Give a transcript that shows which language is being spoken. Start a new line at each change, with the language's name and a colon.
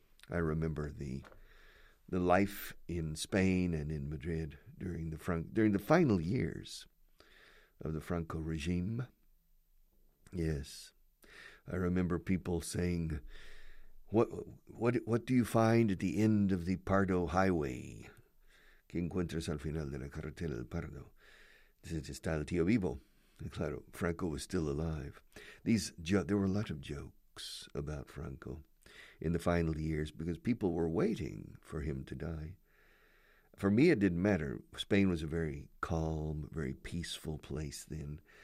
English: I remember the life in Spain and in Madrid during the final years of the Franco regime. Yes, I remember people saying, what do you find at the end of the Pardo Highway?
Spanish: que encuentras al final de la carretera del pardo. Dices, está el tío vivo. Y claro,
English: Franco was still alive. There were a lot of jokes about Franco in the final years because people were waiting for him to die. For me, it didn't matter. Spain was a very calm, very peaceful place then.